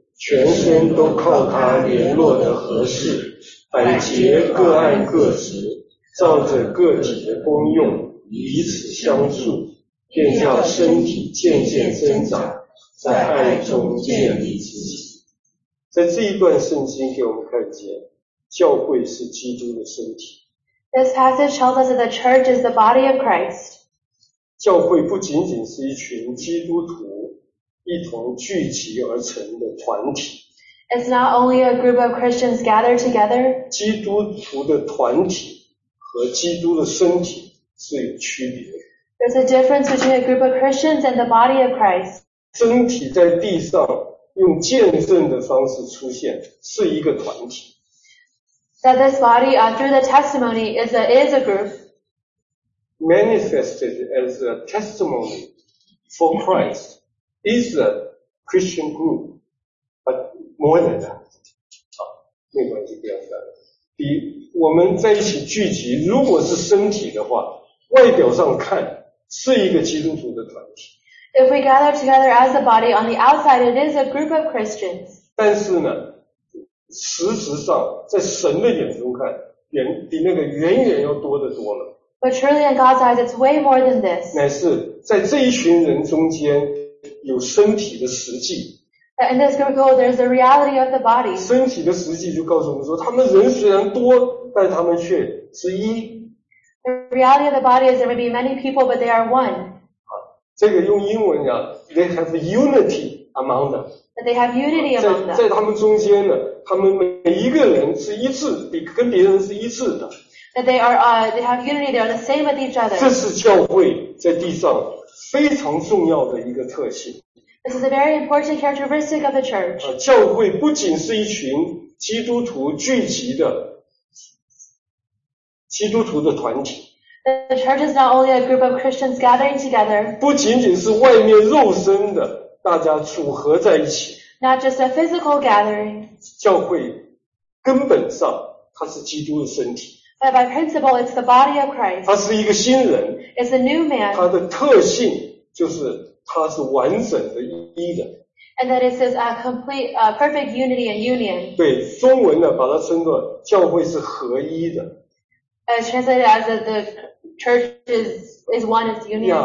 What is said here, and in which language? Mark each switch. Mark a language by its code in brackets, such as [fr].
[zh] 全身都靠他联络的合适，百节各按各职，照着个体的功用彼此相助，便叫身体渐渐增长，在爱中建立自己。在这一段圣经给我们看见，教会是基督的身体。 [en] This passage tells us that the church is the body of Christ. [zh] 教会不仅仅是一群基督徒一同聚集而成的团体。 [en] It's not only a group of Christians gathered together. [zh] 基督徒的团体和基督的身体是有区别的。 [en] There's a difference between a group of Christians and the body of Christ. [zh] 身体在地上用见证的方式出现，是一个团体。 [en] That this body, through the testimony, is a group. Manifested as a testimony for Christ. Is a Christian group, but more than that. [zh] 好，没关系，不要这样。比我们在一起聚集，如果是身体的话，外表上看是一个基督徒的团体。 [en] If we gather together as a body on the outside, it is a group of Christians. [zh] 但是呢，实质上在神的眼中看，远比那个远远要多得多了。 [en] But truly in God's eyes, it's way more than this. [zh] 乃是在这一群人中间。有身体的实际。 [en] In this group, there's the reality of the body. [zh] 身体的实际就告诉我们说，他们人虽然多，但他们却是一。 [en] The reality of the body is there may be many people, but they are one. [zh] 这个用英文讲 [en] ，they have unity among them. That they have unity among them. [zh] 在他们中间呢，他们每一个人是一致，比跟别人是一致的。 [en] That they are, they have unity. They are the same with each other. [zh] 这是教会在地上。非常重要的一个特性。 [en] This is a very important characteristic of the church. [zh] 教会不仅是一群基督徒聚集的基督徒的团体。 [en] The church is not only a group of Christians gathering together. [zh] 不仅仅是外面肉身的大家组合在一起。 [en] Not just a physical gathering. [zh] 教会根本上它是基督的身体。 [en] But by principle, it's the body of Christ. [zh] 他是一个新人。 [en] It's a new man. [zh] 他的特性就是他是完整的一人。 [en] And that it's a complete, a perfect unity and union. [zh] 对，中文呢，把它称作教会是合一的。 [en] Translated as the church is one, it's union.